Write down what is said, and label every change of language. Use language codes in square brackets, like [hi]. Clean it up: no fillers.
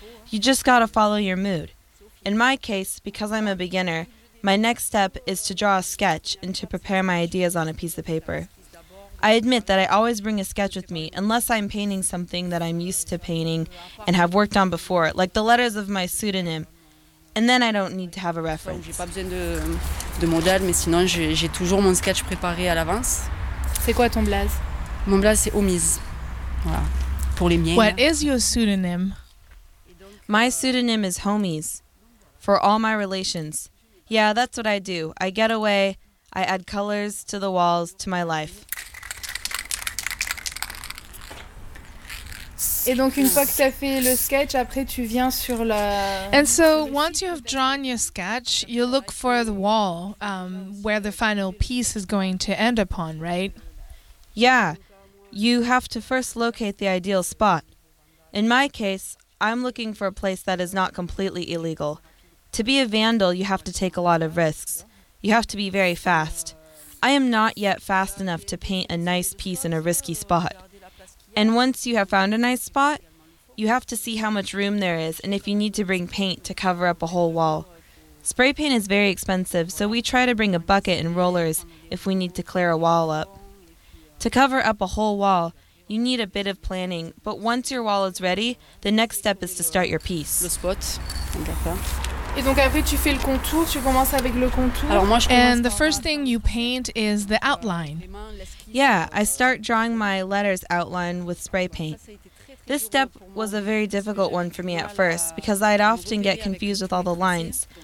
[en] You just gotta follow your mood. In my case, because I'm a beginner, my next step is to draw a sketch and to prepare my ideas on a piece of paper. I admit that I always bring a sketch with me, unless I'm painting something that I'm used to painting and have worked on before, like the letters of my pseudonym. And then I don't need to have a reference. [fr] J'ai pas besoin de modèle, mais sinon j'ai toujours mon sketch préparé à l'avance. C'est quoi ton blaze? Mon blaze, c'est Omis. pour les miennes. [en] What is your pseudonym? My pseudonym is Homies, for all my relations. Yeah, that's what I do. I get away, I add colors to the walls, to my life. [fr] Et donc une fois que tu as fait le sketch, après tu viens sur la. [en] And so once you have drawn your sketch, you look for the wall where the final piece is going to end upon, right? Yeah, you have to first locate the ideal spot. In my case, I'm looking for a place that is not completely illegal. To be a vandal, you have to take a lot of risks. You have to be very fast. I am not yet fast enough to paint a nice piece in a risky spot. And once you have found a nice spot, you have to see how much room there is and if you need to bring paint to cover up a whole wall. Spray paint is very expensive, so we try to bring a bucket and rollers if we need to clear a wall up. To cover up a whole wall, you need a bit of planning, but once your wall is ready, the next step is to start your piece. [fr] Le spot. Et donc après tu fais le contour, tu commences avec le contour. Alors moi, [en] and the first thing you paint is the outline. Yeah, I start drawing my letters outline with spray paint. This step was a very difficult one for me at first because I'd often get confused with all the lines.